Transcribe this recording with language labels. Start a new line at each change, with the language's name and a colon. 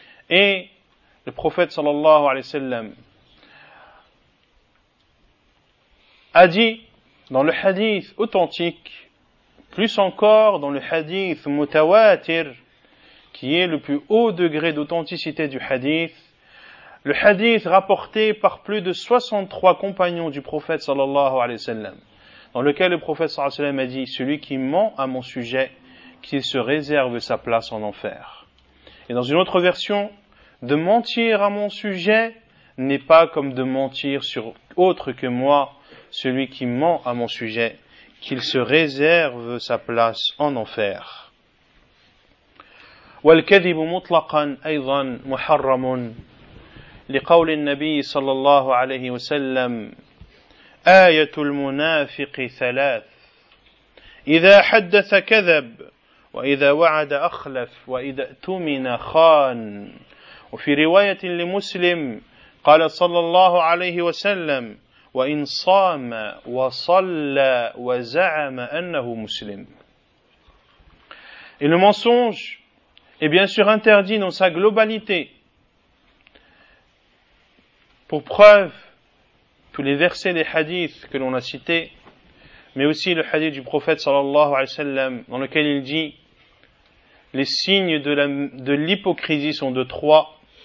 French: Et le prophète sallallahu alayhi wa sallam a dit dans le hadith authentique, plus encore dans le hadith mutawatir, qui est le plus haut degré d'authenticité du hadith, le hadith rapporté par plus de 63 compagnons du prophète sallallahu alayhi wa sallam, dans lequel le prophète sallallahu alayhi wa sallam a dit, celui qui ment à mon sujet, qu'il se réserve sa place en enfer. Et dans une autre version, de mentir à mon sujet n'est pas comme de mentir sur autre que moi, celui qui ment à mon sujet, qu'il se réserve sa place en enfer.
Arabic: والكذب مطلقا ايضا محرم لقول النبي صلى الله عليه وسلم آية المنافق ثلاث إذا حدث كذب وإذا وعد أخلف وإذا اؤتمن خان وفي رواية لمسلم قال صلى الله عليه وسلم وإن صام وصلى وزعم أنه مسلم.
French: Et le mensonge est bien sûr interdit dans sa globalité. Pour preuve, tous les versets des hadiths que l'on a cités, mais aussi le hadith du prophète صلى الله عليه وسلم dans lequel il dit: les signes de l'hypocrisie sont de trois.